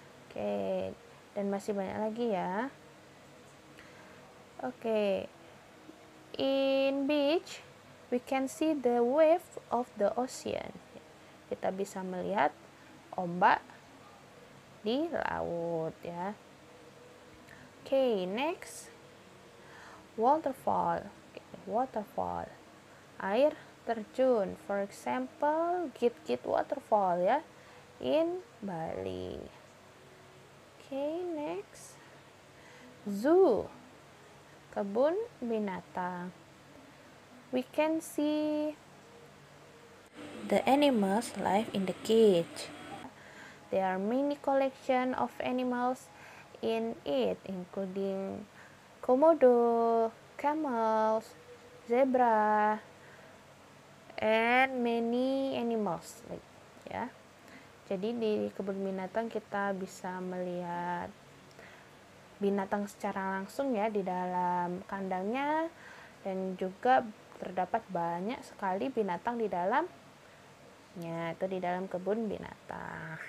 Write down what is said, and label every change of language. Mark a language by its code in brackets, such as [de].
[id] Okay, dan masih banyak lagi ya. [en] Okay, in beach we can see the wave of the ocean. [id] Kita bisa melihat ombak di laut ya. [en] Okay, next, waterfall. Okay, waterfall, [id] air terjun. [en] For example, Git-Git Waterfall ya, in Bali. Okay, next, zoo, [id] kebun binatang. [en] We can see the animals live in the cage. There are many collection of animals in it, including komodo, camels, zebra, and many animals. [id] Ya. Jadi di kebun binatang kita bisa melihat binatang secara langsung ya di dalam kandangnya, dan juga terdapat banyak sekali binatang di dalamnya, itu di dalam kebun binatang.